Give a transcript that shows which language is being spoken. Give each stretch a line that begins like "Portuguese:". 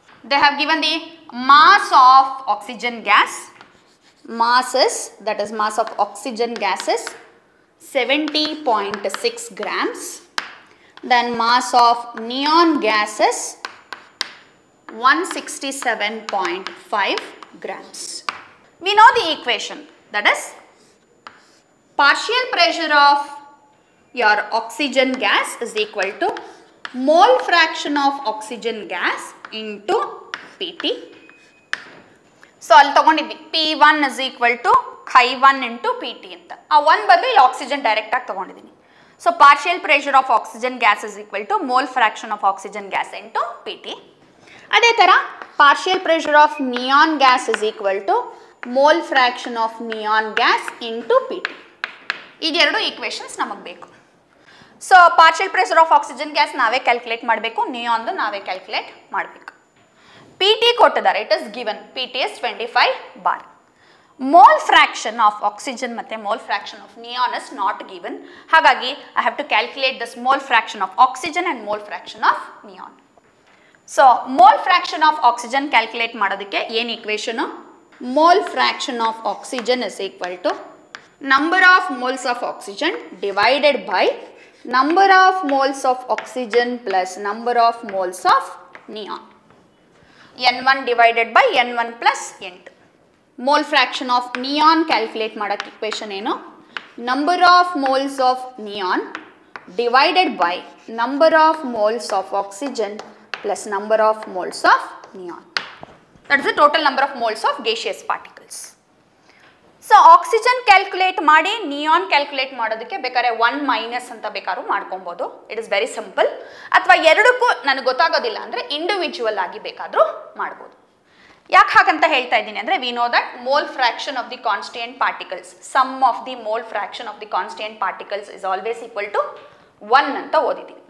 English: They have given the mass of oxygen gas, masses, that is mass of oxygen gases 70.6 grams, then mass of neon gases 167.5 grams. We know the equation, that is partial pressure of your oxygen gas is equal to mole fraction of oxygen gas into PT.
Kannada: So all tagondiddi
English: P1 is equal to chi1 into PT
Kannada: anta, aa 1 badle illi oxygen direct aagi tagondiddini.
English: So partial pressure of oxygen gas is equal to mole fraction of oxygen gas into PT.
Kannada: Adhe tara
English: partial pressure of neon gas is equal to mole fraction of neon gas into PT.
Kannada: ಇದೆರಡು equations ನಮಗೆ ಬೇಕು. So partial pressure of oxygen gas ನಾವೇ calculate ಮಾಡಬೇಕು, ನಿಯಾನ್ದು ನಾವೇ calculate ಮಾಡಬೇಕು. P T ಕೊಟ್ಟಿದ್ದಾರೆ,
English: It is given, P T is 25 bar. Mole fraction of oxygen ಮತ್ತು mole fraction of neon is not given,
Kannada: ಹಾಗಾಗಿ
English: I have to calculate this mole fraction of oxygen and mole fraction of neon.
Kannada: So mole fraction of oxygen calculate ಮಾಡೋದಕ್ಕೆ ಏನು ಈಕ್ವೇಷನು?
English: Mole fraction of oxygen is equal to number of moles of oxygen divided by number of moles of oxygen plus number of moles of neon, n1 divided by n1 plus n2. mole fraction of neon
Kannada: calculate madak equation eno,
English: number of moles of neon divided by number of moles of oxygen plus number of moles of neon, that is the total number of moles of gaseous particles.
Kannada: So oxygen calculate ಮಾಡಿ neon calculate ಮಾಡೋದಕ್ಕೆ ಬೇಕಾದ್ರೆ 1- ಅಂತ ಬೇಕಾದ್ರೂ ಮಾಡ್ಕೊಬೋದು.
English: It is very simple.
Kannada: ಅಥವಾ ಎರಡಕ್ಕೂ ನನಗೆ ಗೊತ್ತಾಗೋದಿಲ್ಲ ಅಂದರೆ ಇಂಡಿವಿಜುವಲ್ ಆಗಿ ಬೇಕಾದರೂ ಮಾಡ್ಬೋದು. ಯಾಕೆ ಹಾಗಂತ ಹೇಳ್ತಾ ಇದ್ದೀನಿ ಅಂದರೆ,
English: we know that mole fraction of the constant particles, sum of the mole fraction of the constant particles is always equal to 1
Kannada: ಅಂತ ಓದಿದ್ದೀನಿ.